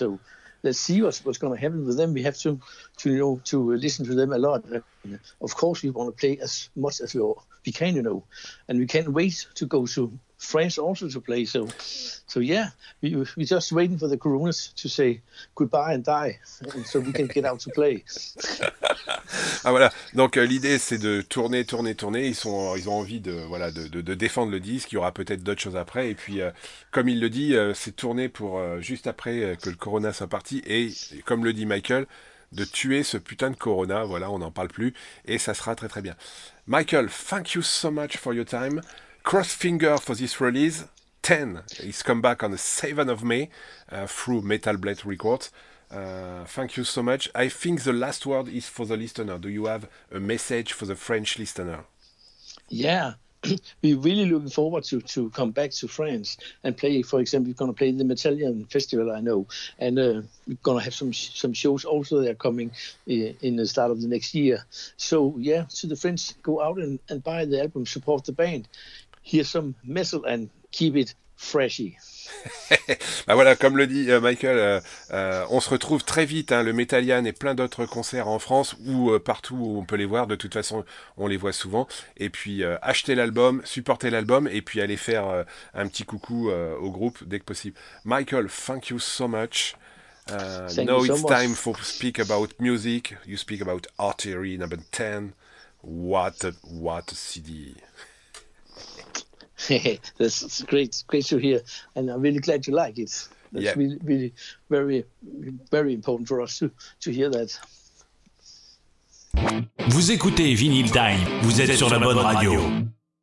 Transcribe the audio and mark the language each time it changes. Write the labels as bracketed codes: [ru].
[en] So let's see what's going to happen with them. We have to listen to them a lot. And of course, we want to play as much as we can, you know, and we can't wait to go to France also to play. So yeah, we're just waiting for the coronas to say goodbye and die, and so we can get out to play. [fr] Ah voilà, donc l'idée c'est de tourner, ils ont envie de voilà de défendre le disque, il y aura peut-être d'autres choses après, et puis comme il le dit, c'est tourner pour juste après que le corona soit parti, et comme le dit Michael, de tuer ce putain de corona, voilà, on n'en parle plus, et ça sera très très bien. [en] Michael, thank you so much for your time, cross finger for this release, 10, it's come back on the 7th of May, through Metal Blade Records. Thank you so much. I think the last word is for the listener. Do you have a message for the French listener? Yeah, we're really looking forward to come back to France and play. For example, we're going to play the Metallian Festival, I know, and we're going to have some shows also that are coming in the start of the next year. So yeah, to the French, go out and buy the album, support the band, hear some metal, and keep it freshy. [fr] Ben voilà, comme le dit Michael, on se retrouve très vite, hein, le Metallian et plein d'autres concerts en France ou partout où on peut les voir, de toute façon on les voit souvent, et puis achetez l'album, supportez l'album, et puis allez faire un petit coucou au groupe dès que possible. [en] Michael, thank you so much. Now it's time for speak about music, you speak about Artillery number 10. What a CD. That's great to hear, and I'm really glad you like it. That's really very very important for us to hear that. [fr] Vous écoutez Vinyl Time, vous êtes sur la bonne radio.